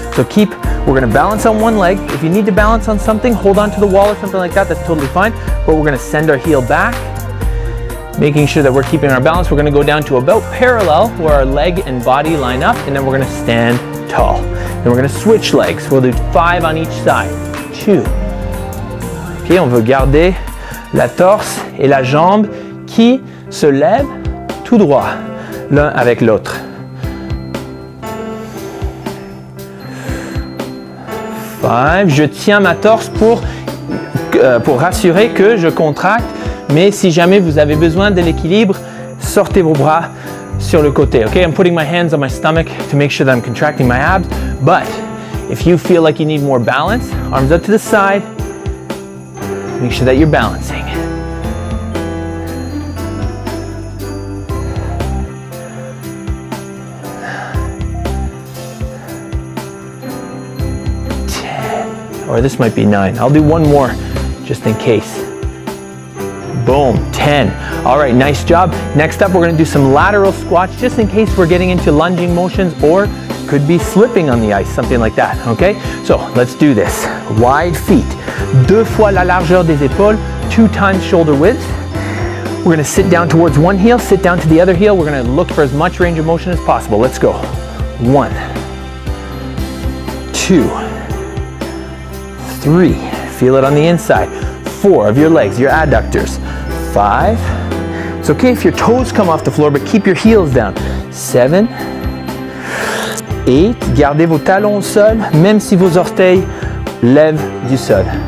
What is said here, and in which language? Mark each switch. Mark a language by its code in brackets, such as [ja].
[en] So keep, we're gonna balance on one leg. If you need to balance on something, hold on to the wall or something like that, that's totally fine. But we're gonna send our heel back, making sure that we're keeping our balance. We're gonna go down to about parallel where our leg and body line up, and then we're gonna stand tall. Then we're gonna switch legs. We'll do five on each side. Two. [fr] Okay, on veut garder la torse et la jambe qui se lève tout droit, l'un avec l'autre. Five, je tiens ma torse pour rassurer que je contracte, mais si jamais vous avez besoin de l'équilibre, sortez vos bras sur le côté. [en] Okay, I'm putting my hands on my stomach to make sure that I'm contracting my abs, but if you feel like you need more balance, arms up to the side, make sure that you're balancing. Or this might be nine. I'll do one more just in case. Boom, 10. All right, nice job. Next up, we're gonna do some lateral squats just in case we're getting into lunging motions or could be slipping on the ice, something like that, okay? So let's do this. Wide feet, [fr] deux fois la largeur des épaules, [en] two times shoulder width. We're gonna sit down towards one heel, sit down to the other heel. We're gonna look for as much range of motion as possible. Let's go. One, two, three, feel it on the inside. Four of your legs, your adductors. Five, it's okay if your toes come off the floor, but keep your heels down. Seven, eight, [fr] gardez vos talons au sol, même si vos orteils lèvent du sol.